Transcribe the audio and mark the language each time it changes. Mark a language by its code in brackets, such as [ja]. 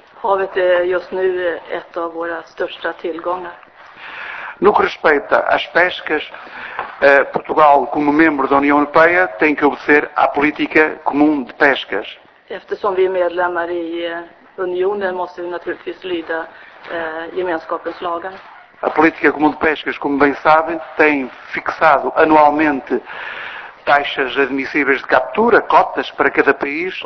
[sv] Havet é just nu ett av våra största tillgångar. [pt] No que respeita às pescas, Portugal, como membro da União Europeia, tem que obedecer à política comum de pescas. [sv] Eftersom vi är medlemmar i unionen måste vi naturligtvis lyda gemenskapens lagar. [pt] A política comum de pescas, como bem sabem, tem fixado anualmente taxas admissíveis de captura, cotas para cada país.